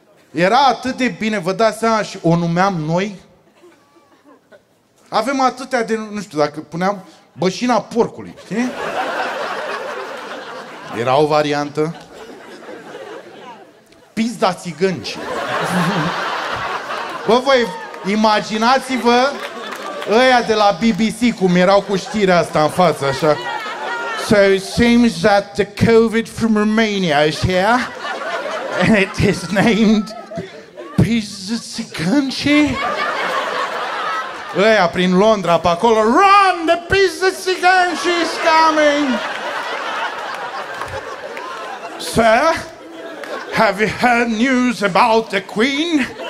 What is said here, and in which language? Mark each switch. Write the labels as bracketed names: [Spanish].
[Romanian] Era atât de bine, vă dați seama, și o numeam noi? Avem atâtea de, nu știu, dacă puneam bășina porcului, știi? Era o variantă. Pizda țigânci. Bă, voi imaginați-vă ăia de la BBC cum erau cu știrea asta în față, așa. [English] So it seems that the COVID from Romania is here and it is named Pizda țigânci. [Romanian] Ăia prin Londra, pe acolo, [English] run, the pizda țigânci is coming. Sir? Have you heard news about the Queen?